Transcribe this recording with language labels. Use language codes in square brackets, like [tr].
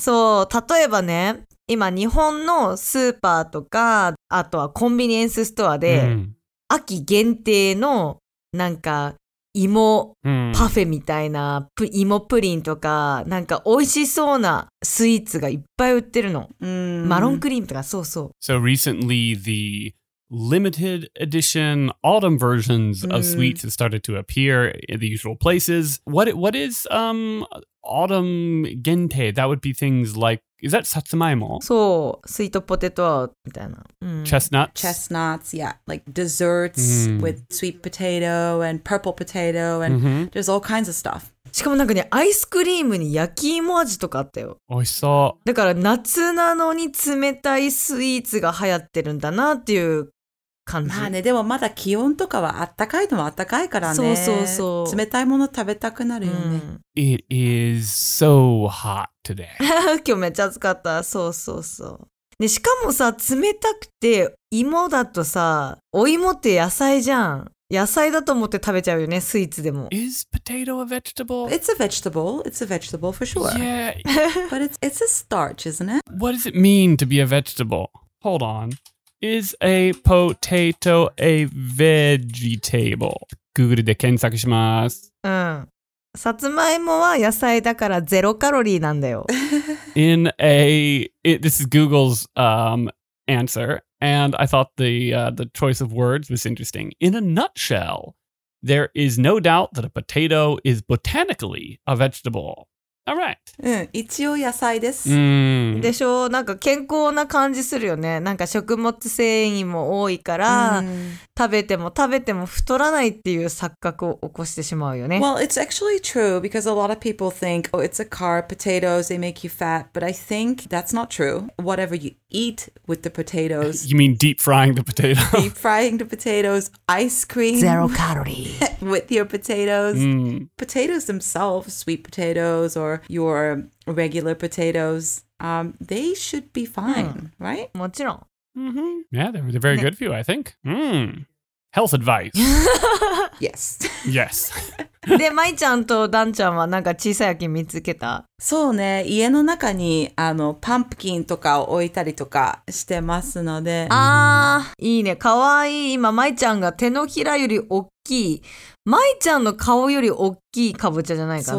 [ja] そう、例えばね、今日本のスーパーとか、あとはコンビニエンスストアで、うん、秋限定のなんか芋、うん、パフェみたいな芋プリンとか、なんか美味しそうなスイーツがいっぱい売ってるの。うん、マロンクリームとか、そうそう。 [en] So recently the limited edition autumn versions of sweets have started to appear in the usual places. What is autumn 限定? That would be things like, is that satsumaimo? So, sweet potato [ja] みたいな。 [en] Chestnuts? Chestnuts, yeah. Like desserts with sweet potato and purple potato and there's all kinds of stuff. [ja] しかもなんかね、アイスクリームに焼き芋味とかあったよ。美味しそう。だから夏なのに冷たいスイーツが流行ってるんだなっていう感じ。まあね、でもまだ気温とかはあったかいのもあったかいからね。そうそうそう。冷たいもの食べたくなるよね。 [en] It is so hot today. [ja] 今日めっちゃ暑かった。そうそうそう。ね、しかもさ、冷たくて芋だとさ、お芋って野菜じゃん。野菜だと思って食べちゃうよね、スイーツでも。 [en] Is potato a vegetable? It's a vegetable. It's a vegetable for sure. Yeah. But it's a starch, isn't it? What does it mean to be a vegetable? Hold on. Is a potato a vegetable? [ja] Google で検索します。うん。さつまいもは野菜だからゼロカロリーなんだよ。 [en] In a... This is Google's answer. And I thought the choice of words was interesting. In a nutshell, there is no doubt that a potato is botanically a vegetable. All right. うん、一応野菜です。でしょ、なんか健康な感じするよね。なんか食物繊維も多いから、食べても食べても太らないっていう錯覚を起こしてしまうよね。 Well, it's actually true because a lot of people think, oh, it's a carb, potatoes, they make you fat. But I think that's not true. Whatever you eat with the potatoes. You mean deep frying the potato? Deep frying the potatoes, ice cream. Zero calorie. With your potatoes. Potatoes themselves, sweet potatoes or your regular potatoes, they should be fine, right? [ja] もちろん。 Mm-hmm. [en] Yeah, they're very good for you, I think. Health advice. Yes. Yes. [ja] で、まいちゃんとダンちゃんはなんか小さい秋見つけた? そうね、家の中にあのパンプキンとかを置いたりとかしてますので。ああ、いいね、かわいい。今、まいちゃんが手のひらより大きい。まいちゃんの顔より大きいかぼちゃじゃないかな。